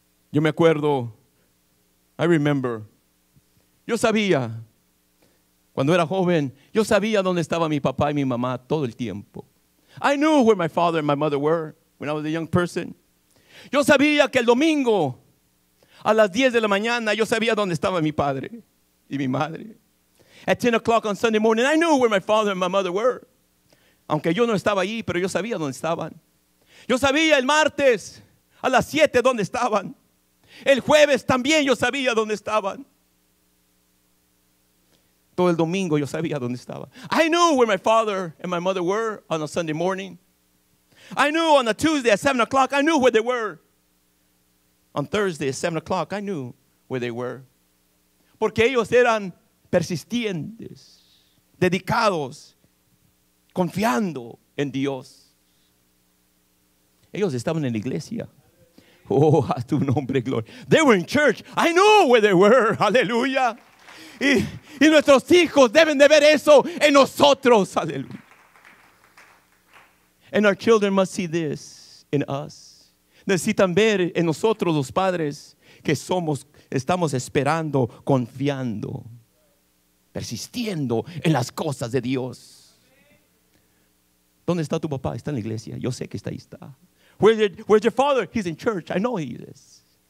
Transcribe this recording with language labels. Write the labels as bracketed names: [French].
[Spanish] Yo me acuerdo, [English] I remember, [Spanish] yo sabía, cuando era joven, yo sabía dónde estaba mi papá y mi mamá todo el tiempo. [English] I knew where my father and my mother were when I was a young person. [Spanish] Yo sabía que el domingo a las 10 de la mañana, yo sabía dónde estaba mi padre y mi madre. [English] At 10 o'clock on Sunday morning, I knew where my father and my mother were. [Spanish] Aunque yo no estaba ahí, pero yo sabía dónde estaban. Yo sabía el martes a las 7 dónde estaban. El jueves también yo sabía dónde estaban. Todo el domingo yo sabía dónde estaba. [English] I knew where my father and my mother were on a Sunday morning. I knew on a Tuesday at 7 o'clock, I knew where they were. On Thursday at 7 o'clock, I knew where they were. [Spanish] Porque ellos eran persistentes, dedicados, confiando en Dios. Ellos estaban en la iglesia. Oh, a tu nombre, gloria. [English] They were in church. [Spanish] I knew where they were. Aleluya. Y nuestros hijos deben de ver eso en nosotros. Aleluya. [English] And our children must see this in us. [Spanish] Necesitan ver en nosotros los padres que somos, estamos esperando, confiando, persistiendo en las cosas de Dios. ¿Dónde está tu papá? Está en la iglesia. Yo sé que está ahí. Está. [English] Where's your father? He's in church. I know he is.